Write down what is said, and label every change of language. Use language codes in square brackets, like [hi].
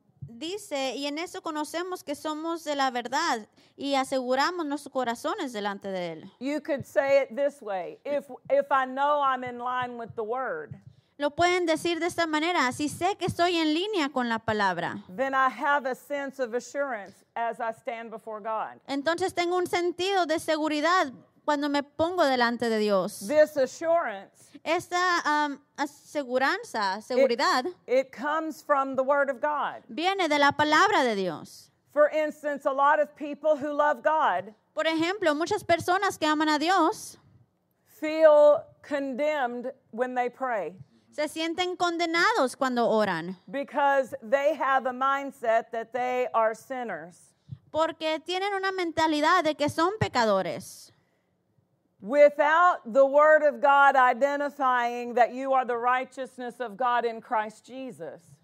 [es] Dice, y en eso conocemos que somos de la verdad y aseguramos nuestros corazones delante de él. [en] You could say it this way. If I know I'm in line with the word. [es] Lo pueden decir de esta manera, si sé que estoy en línea con la palabra. [en] Then I have a sense of assurance as I stand before God. [es] Entonces tengo un sentido de seguridad cuando me pongo delante de Dios. [en] This assurance, [es] esta aseguranza, seguridad, [en] it comes from the word of God. [es] Viene de la palabra de Dios. [en] For instance, a lot of people who love God, [es] por ejemplo, muchas personas que aman a Dios, [en] feel condemned when they pray. [es] Se sienten condenados cuando oran. [en] Because they have a mindset that they are sinners. [es] Porque tienen una mentalidad de que son pecadores. [en] Without the word of God identifying that you are the righteousness of God in Christ Jesus.